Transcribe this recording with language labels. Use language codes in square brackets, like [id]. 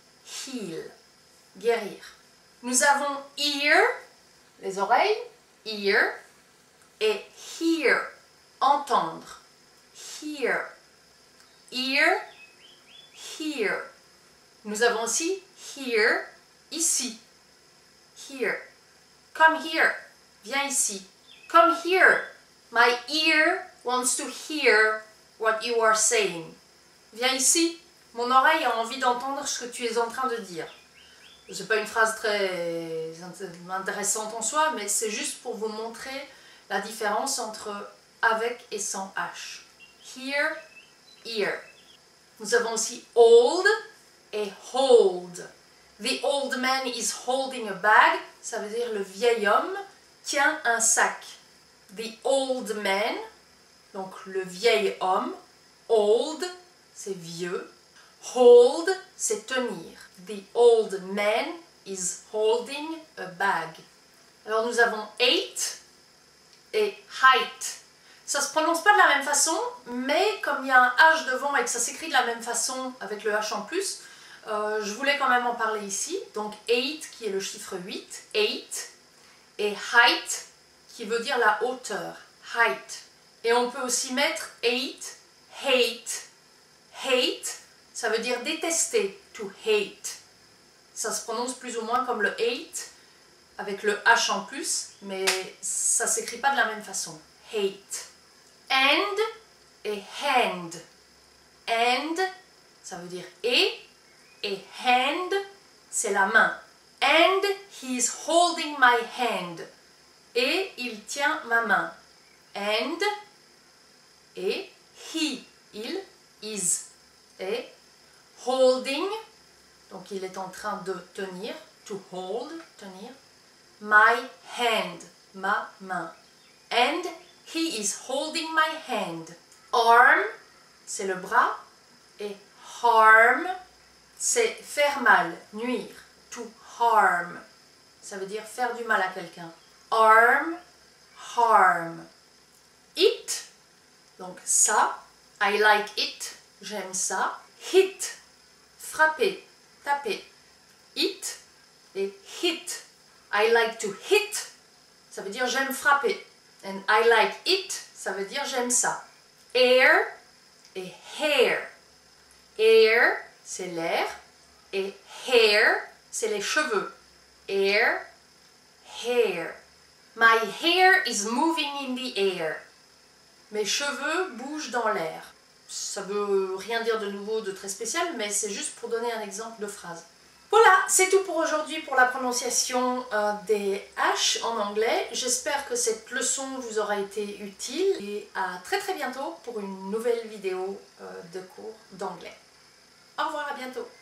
[fr] Heal, guérir. Nous avons ear, les oreilles, ear, et hear, entendre. Hear. Ear. Hear. Nous avons aussi hear, ici. [en] Here. Come here. [fr] Viens ici. [en] Come here. My ear wants to hear what you are saying. [fr] Viens ici. Mon oreille a envie d'entendre ce que tu es en train de dire. C'est pas une phrase très intéressante en soi, mais c'est juste pour vous montrer la différence entre avec et sans H. Hear, ear. Nous avons aussi old et hold. [en] The old man is holding a bag. [fr] Ça veut dire le vieil homme tient un sac. [en] The old man, [fr] donc le vieil homme. Old, c'est vieux. Hold, c'est tenir. [en] The old man is holding a bag. [fr] Alors nous avons eight et height. Ça ne se prononce pas de la même façon, mais comme il y a un H devant et que ça s'écrit de la même façon avec le H en plus, je voulais quand même en parler ici. Donc 8 qui est le chiffre 8, 8, et height qui veut dire la hauteur, height. Et on peut aussi mettre 8, hate, hate, ça veut dire détester, to hate. Ça se prononce plus ou moins comme le 8 avec le H en plus, mais ça ne s'écrit pas de la même façon. Hate. End et hand. End, ça veut dire et hand, c'est la main. [en] And he is holding my hand. [fr] Et il tient ma main. And et he, il, is, et holding, donc il est en train de tenir, to hold, tenir, my hand, ma main. [en] And he is holding my hand. [fr] Arm, c'est le bras. Et harm, c'est faire mal, nuire. To harm, ça veut dire faire du mal à quelqu'un. Arm, harm. It, donc ça. [en] I like it, [fr] j'aime ça. Hit, frapper, taper. It et hit. [en] I like to hit, [fr] ça veut dire j'aime frapper. [en] And I like it, [fr] ça veut dire j'aime ça. Air et hair. Air, c'est l'air. Et hair, c'est les cheveux. [en] Air, hair. My hair is moving in the air. [fr] Mes cheveux bougent dans l'air. Ça veut rien dire de nouveau, de très spécial, mais c'est juste pour donner un exemple de phrase. Voilà, c'est tout pour aujourd'hui pour la prononciation des H en anglais. J'espère que cette leçon vous aura été utile et à très très bientôt pour une nouvelle vidéo de cours d'anglais. Au revoir, à bientôt.